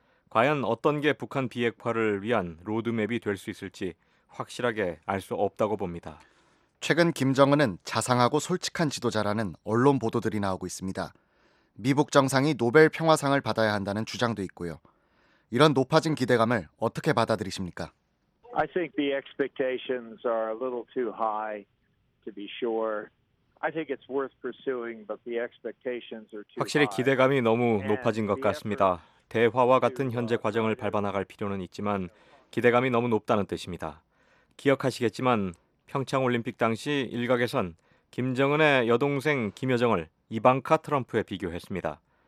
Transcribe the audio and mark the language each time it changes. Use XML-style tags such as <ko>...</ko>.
<ko>과연 어떤 게 북한 비핵화를 위한 로드맵이 될 수 있을지 확실하게 알 수 없다고 봅니다. 최근 김정은은 자상하고 솔직한 지도자라는 언론 보도들이 나오고 있습니다. 미북 정상이 노벨 평화상을 받아야 한다는 주장도 있고요. 이런 높아진 기대감을 어떻게 받아들이십니까?</ko> <en>I think the expectations are a little too high to be sure. I think it's worth pursuing, but the expectations are too high.</en> <ko>확실히 기대감이 너무 높아진 것 같습니다. 대화와 같은 현재 과정을 밟아 나갈 필요는 있지만 기대감이 너무 높다는 뜻입니다. 기억하시겠지만 평창올림픽 당시 일각에선 김정은의 여동생 김여정을 이방카 트럼프에 비교했습니다.</ko>